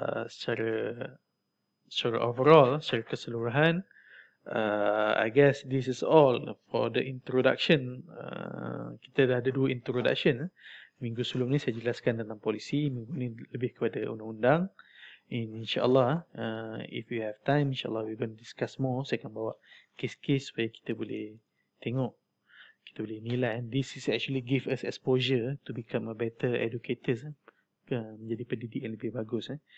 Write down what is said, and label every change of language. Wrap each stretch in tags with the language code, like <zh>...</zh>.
<ms>Secara overall, secara keseluruhan,</ms> <en>I guess this is all for the introduction.</en> <ms>Kita dah ada dua introduction. Minggu sebelum ni saya jelaskan tentang polisi, minggu ni lebih kepada undang-undang.</ms> <en>And insyaAllah, if we have time, insyaAllah we're going to discuss more.</en> <ms>Saya akan bawa kes-kes supaya kita boleh tengok, kita boleh nilai.</ms> <en>This is actually give us exposure to become a better educators.</en> <ms>Menjadi pendidik yang lebih bagus.</ms>